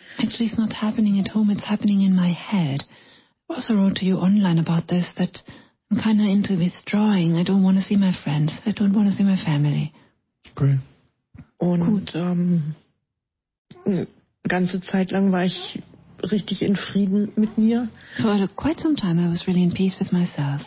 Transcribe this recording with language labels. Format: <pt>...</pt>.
<en>Actually, it's not happening at home, it's happening in my head. I also wrote to you online about this, that I'm kind of into withdrawing. I don't want to see my friends. I don't want to see my family. Great.</en> <de>Und eine ganze Zeit lang war ich richtig in Frieden mit mir.</de> <en>For quite some time I was really in peace with myself.</en>